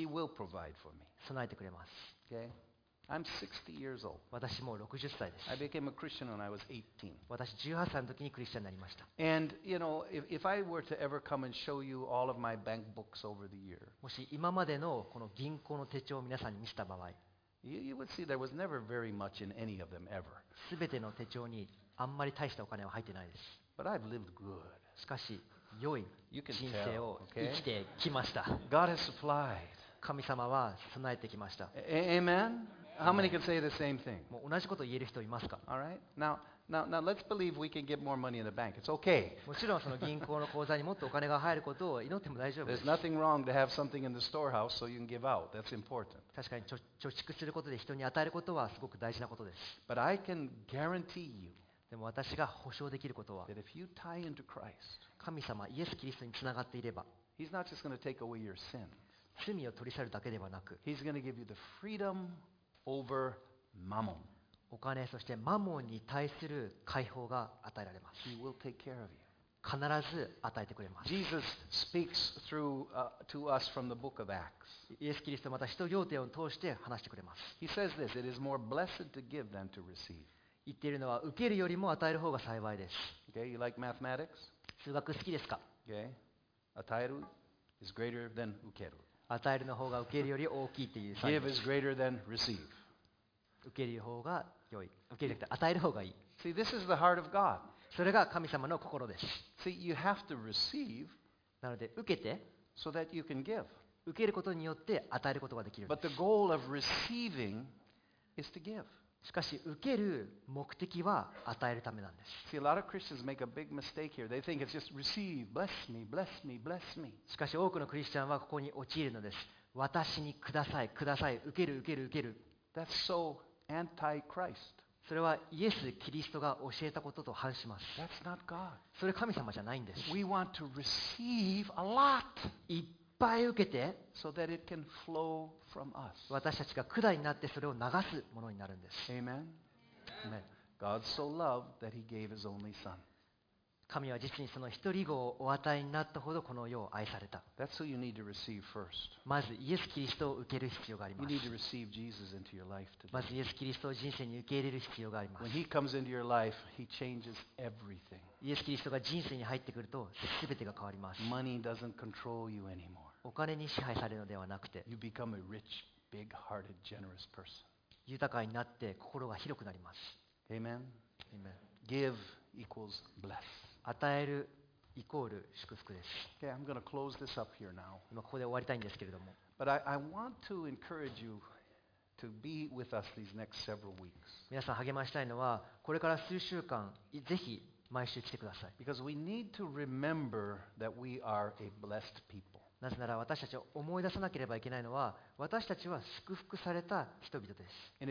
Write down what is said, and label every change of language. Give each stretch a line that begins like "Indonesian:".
English: He will provide for me.
Japanese: 備えてくれます。
English: Okay? I'm 60 years old.
Japanese: 私もう60歳です。
English: I became a Christian when I was 18.
Japanese: 私18歳の時にクリスチャンになりました。
English: And you know, if I were to ever come and show you all of my bank books over the year,
Japanese: もし今までのこの銀行の手帳を皆さんに見せた場合、
English: you would see there was never very much in any of them ever.
Japanese: すべての手帳にあんまり大したお金は入ってないです。
English: But I've lived good.
Japanese: しかし良い人生を生きてきました。
English: God has supplied.
Japanese: 神様は備えてきました。
English: Amen. How many can say the same thing?
Japanese: もう同じことを言える人いますか?
English: All right. Now, let's believe we can get more money in the bank. It's okay.
Japanese: もちろんその銀行の口座にもっとお金が入ることを祈っても大丈夫です。
English: There's nothing wrong to have something in the storehouse so you can give out. That's important.
Japanese: 確かに貯蓄することで人に与えることはすごく大事なことです。
English: But I can guarantee you.
Japanese: でも私が保証できることは、
English: that if you tie into Christ,
Japanese: 神様イエス・キリストにつながっていれば、
English: He's not just going to take away your sin.
Japanese: 罪を取り去るだけではなく、
English: He's going to give you the freedom. Over mammon.
Japanese: お金そしてマモンに対する解放が与えられます。
English: He will take care of you.
Japanese: 必ず与えてくれます。
English: Jesus speaks through to us from the book of Acts.
Japanese: イエス・キリストまた使徒行伝を通して話してくれます。
English: He says this: It is more blessed to give than to receive.
Japanese: 言っているのは受けるよりも与える方が幸いです。
English: Okay, you like mathematics?
Japanese: 数学好きですか?
English: Okay, 与える is greater than 受ける。
Japanese: 与えるの方が受けるより大きいっていう。
English: Give is greater than receive.
Japanese: 受ける方が良い。受けるって与える方がいい。
English: See, this is the heart of God.
Japanese: それが神様の心です。
English: See, you have to receive.
Japanese: なので受けて、
English: so that you can give.
Japanese: 受けることによって与えることができるんです。
English: But the goal of receiving is to give.
Japanese: しかし受ける目的は与えるためなんです。
English: See, a lot of Christians make a big mistake here. They think it's just receive, bless me, bless me, bless me.
Japanese: しかし多くのクリスチャンはここに陥るのです。私にください、ください、受ける、受ける、受ける。
English: That's so anti-Christ.
Japanese: それはイエス・キリストが教えたことと反します。
English: That's not God.
Japanese: それ神様じゃないんです。
English: We want to receive a lot.
Japanese: いっぱい受けて、
English: so that it can flow from us.
Japanese: 私たちが管になってそれを流すものになるんです。
English: Amen. Amen. God so loved that he gave his only son.
Japanese: 神は実にその一人子をお与えになったほどこの世を愛された。
English: That's who you need to receive first.
Japanese: まずイエス・キリストを受ける必要があります。
English: You need to receive Jesus into your life today.
Japanese: まずイエス・キリストを人生に受け入れる必要があります。
English: When he comes into your life, he changes everything.
Japanese: イエス・キリストが人生に入ってくると全てが変わります。
English: Money doesn't control you anymore.
Japanese: お金に支配されるのではなくて、
English: you become a rich, big-hearted, generous person.
Japanese: 豊かになって心が広くなります。
English: Amen. Amen. Give equals bless.
Japanese: 与えるイコール祝福です。
English: Okay, I'm going to close this up here now.
Japanese: 今ここで終わりたいんですけれども。
English: But I want to encourage you to be with us these next several weeks.
Japanese: 皆さん励ましたいのは、これから数週間、ぜひ毎週来てください。
English: Because we need to remember that we are a blessed people.
Japanese: なぜなら私たちを思い出さなければいけないのは私たちは祝福された人々です。